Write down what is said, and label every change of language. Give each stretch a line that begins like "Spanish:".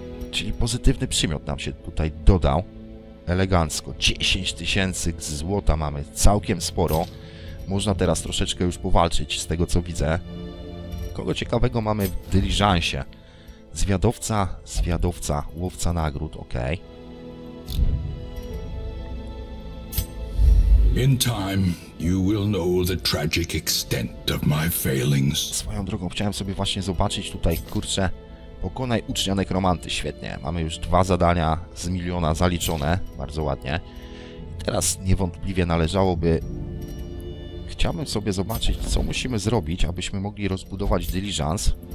Polish: Czyli pozytywny przymiot nam się tutaj dodał. Elegancko. 10 tysięcy złota mamy. Całkiem sporo. Można teraz troszeczkę już powalczyć z tego co widzę. Kogo ciekawego mamy w dyliżansie? Zwiadowca, zwiadowca, łowca nagród, okej.
English: In time, you will know the tragic extent of my failings.
Polish: Swoją drogą, chciałem sobie właśnie zobaczyć tutaj, kurczę, pokonaj ucznia nekromanty, świetnie. Mamy już dwa zadania z miliona zaliczone, bardzo ładnie. Teraz niewątpliwie należałoby... Chciałbym sobie zobaczyć, co musimy zrobić, abyśmy mogli rozbudować diligence.